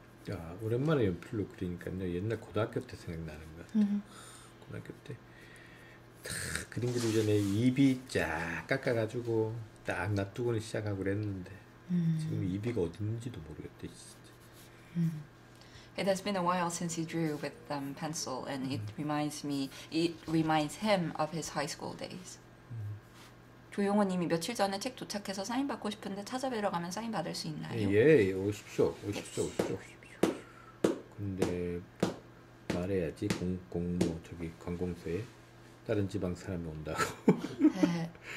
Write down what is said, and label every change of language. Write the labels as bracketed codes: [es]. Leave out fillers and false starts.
[ko] 야, 오랜만에 연필로 그리니까요. 옛날 고등학교 때 생각나는 것 같아요. 고등학교 때 탁 그림 그리기 전에 입이 쫙 깎아가지고 딱 놔두고는 시작하고 그랬는데 지금 입이가 어딘지도 모르겠대 진짜. [en] It has been a while since he drew with pencil and it reminds me, it reminds him of his high school days. [ko] 조용호 님이 며칠 전에 책 도착해서 사인 받고 싶은데 찾아뵈러 가면 사인 받을 수 있나요? 예, 오십시오. 오십시오. 오십시오. 근데 말해야지 공공 뭐 저기 관공서에 다른 지방 사람이 온다고 네.